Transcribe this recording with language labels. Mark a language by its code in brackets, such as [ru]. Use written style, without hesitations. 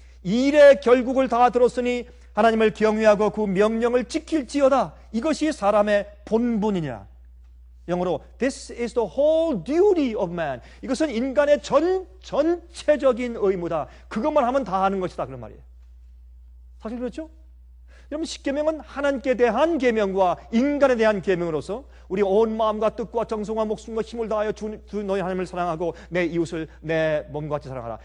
[ko] 일의 결국을 다 들었으니 하나님을 경외하고 그 명령을 지킬지어다. 이것이 사람의 본분이냐. 영어로 [en] This is the whole duty of man. [ko] 이것은 인간의 전체적인 의무다. 그것만 하면 다 하는 것이다. 그런 말이에요. 사실 그렇죠? 여러분 십계명은 하나님께 대한 계명과 인간에 대한 계명으로서 우리 온 마음과 뜻과 정성과 목숨과 힘을 다하여 주 너희 하나님을 사랑하고 내 이웃을 내 몸과 같이 사랑하라.